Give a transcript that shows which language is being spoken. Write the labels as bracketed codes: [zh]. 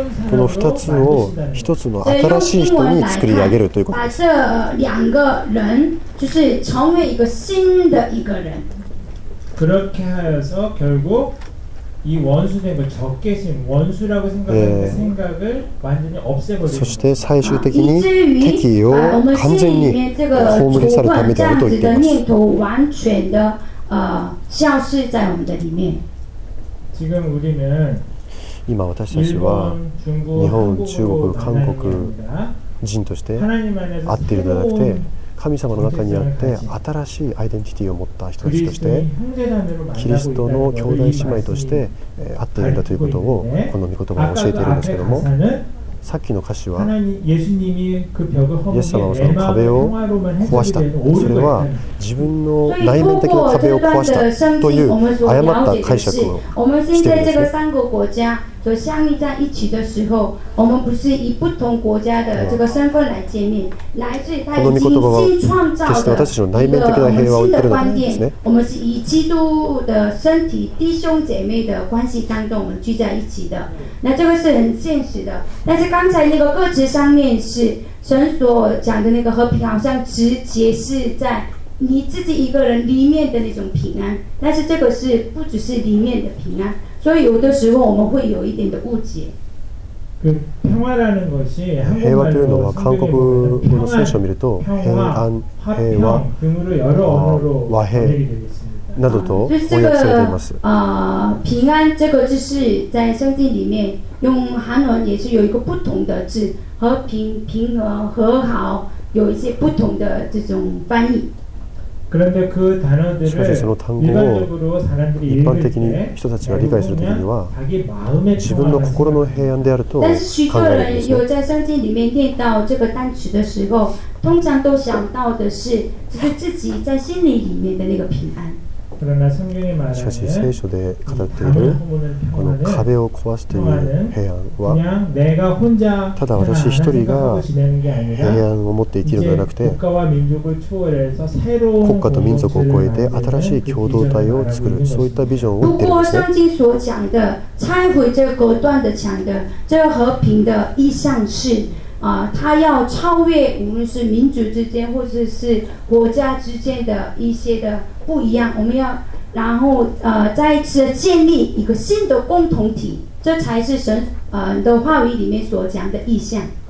[ja] この二つを一つの新しい人に作り上げるということ。 [zh] 把这两个人就是成为一个新的一个人。 [ko] 그렇게하여서결국이원수된그적개심원수라고생각하는생각을완전히없애버리고 [ja] そして最終的に敵意を完全に葬り去るためであると言っています。 [zh] 这个仇恨这样子的念头完全的消失在我们的里面。 [ko] 지금우리는 [ja] 今私たちは日本、中国、韓国人として合っているのではなくて、神様の中にあって新しいアイデンティティを持った人たちとして、キリストの兄弟姉妹として合っているんだということをこの御言葉が教えているんですけども、さっきの歌詞はイエス様はその壁を壊した、それは自分の内面的な壁を壊したという誤った解釈をしているんですね。 [zh] 和相遇在一起的时候，我们不是以不同国家的这个身份来见面，来自他已经新创造的一个新的观点。我们是以基督的身体弟兄姐妹的关系当中，我们聚在一起的。那这个是很现实的。但是刚才那个歌词上面是神所讲的那个和平，好像直接是在你自己一个人里面的那种平安，但是这个是不只是里面的平安。所以有的时候我们会有一点的误解。 [ja] 平和というのは韓国語の聖書を見ると平安、平和、和平などと翻訳されています。 [zh] 平安这个就是在圣经里面用韩文也是有一个不同的字，和平、平和、和好有一些不同的这种翻译。 [ja] しかしその単語を一般的に人たちが理解するときには、自分の心の平安であると考えるんですね。 [zh] 但是许多人有在圣经里面念到这个单词的时候，通常都想到的是就是自己在心里里面的那个平安。 [ja] しかし聖書で語っているこの壁を壊すという平安は、ただ私一人が平安を持って生きるのではなくて、国家と民族を超えて新しい共同体を作る、そういったビジョンを言っているんですね。 [zh] 如果圣经所讲的拆毁这隔断的墙的这和平的意象是他要超越无论是民族之间或者是国家之间的一些的不一样，我们要然后再一次建立一个新的共同体，这才是神的话语里面所讲的意象。